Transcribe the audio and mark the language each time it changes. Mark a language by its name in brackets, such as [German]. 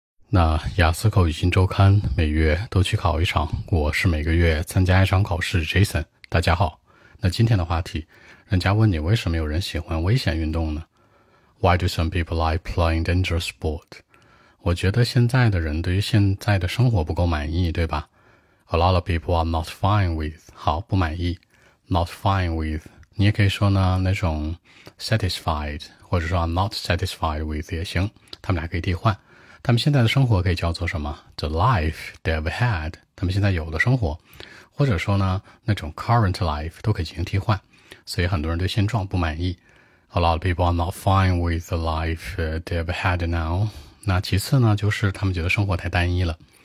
[Chinese] 那雅思口语新周刊每月都去考一场，我是每个月参加一场考试 Jason。大家好，那今天的话题，人家问你为什么有人喜欢危险运动呢？ [English] Why do some people like playing dangerous sport? [Chinese] 我觉得现在的人对于现在的生活不够满意，对吧？ [English] A lot of people are not fine with, [Chinese] 好，不满意， [English] not fine with, [Chinese] 你也可以说呢，那种 [English] satisfied, [Chinese] 或者说 [English] not satisfied with [Chinese] 也行，他们俩可以替换。他们现在的生活可以叫做什么 ? [English] The life they've had, [Chinese] 他们现在有的生活。或者说呢，那种 current life 都可以进行替换。所以很多人对现状不满意。 [English] A lot of people are not fine with the life they've had now. [Chinese] 那其次呢，就是他们觉得生活太单一了。